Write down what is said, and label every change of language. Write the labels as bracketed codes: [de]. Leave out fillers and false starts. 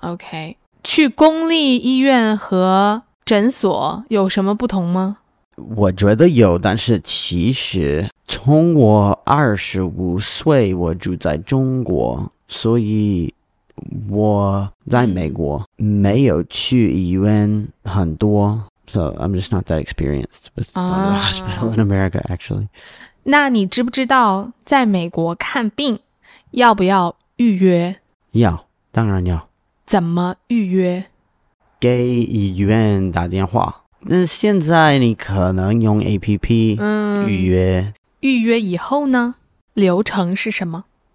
[zh] OK， 去公立医院和诊所有什么不同吗？我觉得有，但是其实从我25岁我住在中国，所以我在美国没有去医院很多。 [en] So I'm just not that experienced with the hospital in America actually。 [zh] 那你知不知道在美国看病要不要预约？要，当然要。怎么预约？给医院打电话。那现在你可能用 APP 预约、嗯、预约以后呢流程是什么？